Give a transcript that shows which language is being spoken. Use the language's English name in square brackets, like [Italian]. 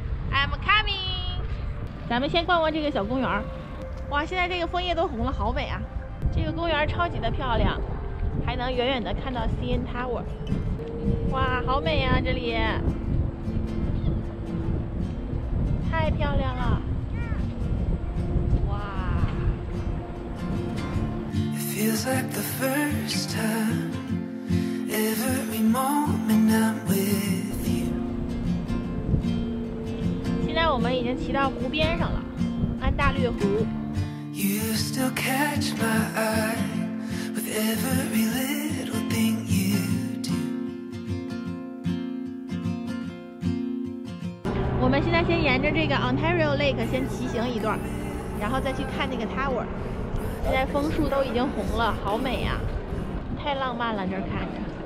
[English] I'm coming， [Chinese] 咱们先逛逛这个小公园。哇，现在这个枫叶都红了，好美啊。这个公园超级的漂亮，还能远远的看到 CN Tower。哇，好美啊，这里太漂亮了。哇， [English] It feels like the first time every moment I'm with you。 [Chinese] 现在我们已经骑到湖边上了，安大略湖。 [English] You still catch my eye with every little thing you do。 [Chinese] 我们现在先沿着这个 Ontario Lake 先骑行一段，然后再去看那个 Tower。现在枫树都已经红了，好美啊，太浪漫了，这看着。